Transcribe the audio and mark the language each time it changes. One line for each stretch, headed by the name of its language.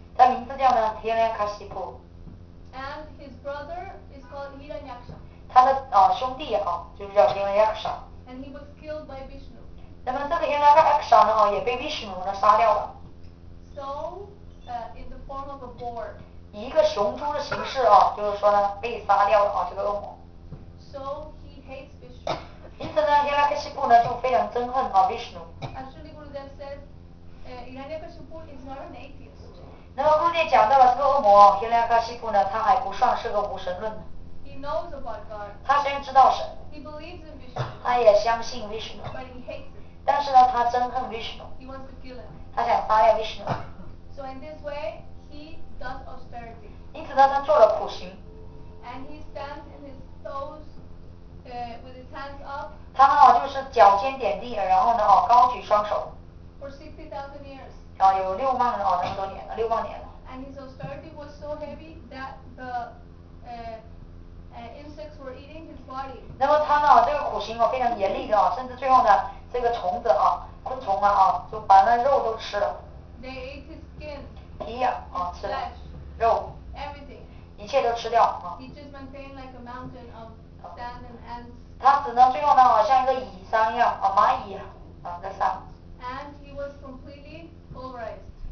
Chinese: 他名字叫呢 Hiranyakashipu.
English: And his brother is called Hiranyaksha.
Chinese: 他的兄弟啊，就是叫 Hiranyaksha.
English: And he was killed by Vishnu.
Chinese: 那么这个 Hiranyaksha 呢，也被 Vishnu 呢杀掉了。
English: So, in the form of a boar.
Chinese: 以一个雄猪的形式啊，就是说呢，被杀掉了啊，这个恶魔。
English: So he hates Vishnu.
Chinese: 因此呢，伊拉克西布呢就非常憎恨啊 Vishnu。
English: Actually, Gurudev says, Hiranyakashipu is not an atheist.
Chinese: 那么 Gurudev 讲到了这个恶魔 Hiranyakashipu 呢，他还不算是个无神论。
English: He knows about God.
Chinese: 他虽然知道神。
English: He believes in Vishnu.
Chinese: 他也相信 Vishnu.
English: But he hates it.
Chinese: 但是呢，他憎恨 Vishnu.
English: He wants to kill him.
Chinese: 他想杀掉 Vishnu.
English: So in this way, he does austerity.
Chinese: 因此呢，他做了苦行。
English: And he stands in his toes. With his hands up,
Chinese: 他呢就是脚尖点地，然后呢高举双手。
English: For 60,000 years.
Chinese: 有六万那么多年了，六万年了。
English: And his austerity was so heavy that the insects were eating his body.
Chinese: 那么他呢这个苦行非常严厉的甚至最后呢这个虫子昆虫啊就把那肉都吃了。
English: They ate his skin.
Chinese: 皮呀吃了。
English: Flesh,
Chinese: 肉。
English: Everything.
Chinese: 一切都吃掉
English: He just maintained like a mountain of.
Chinese: 他只能最后呢像一个蚁山一样蚂蚁的山
English: and he was completely pulverized